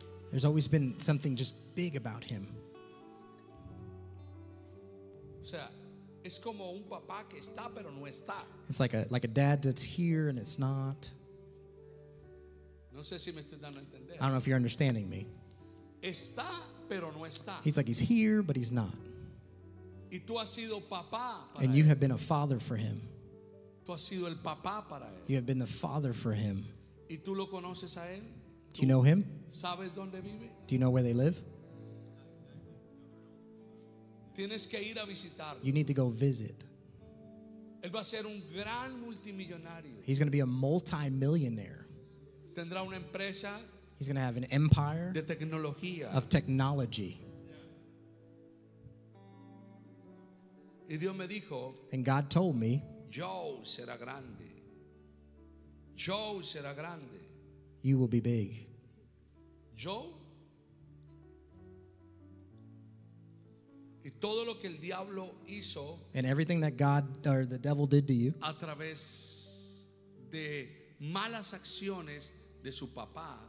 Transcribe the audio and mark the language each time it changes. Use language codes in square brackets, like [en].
[en] There's always been something just big about him. [es] O sea, es como un papá que está pero no está. [en] It's like a dad that's here and it's not. [es] No sé si me estoy dando a entender. [en] I don't know if you're understanding me. [es] Está, pero no está. [en] He's like, he's here, but he's not. [es] Y tú has sido papá para [en] and [es] él. [en] You have been a father for him. [es] Tú has sido el papá para él. [en] You have been the father for him. [es] Y tú lo conoces a él? [en] Do you know him? [es] ¿Sabes dónde vive? [en] Do you know where they live? [es] Tienes que ir a visitarlo. [en] You need to go visit. [es] Él va a ser un gran multimillonario. [en] He's going to be a multi-millionaire. [es] Tendrá una empresa. [en] He's going to have an empire [es] de tecnología. [en] Of technology. [es] Y Dios me dijo, [en] and God told me, [es] Joe será grande. Joe será grande. [en] You will be big. Joe. [es] Y todo lo que el diablo hizo, [en] and everything that God or the devil did to you, [es] a través de malas acciones de su papá,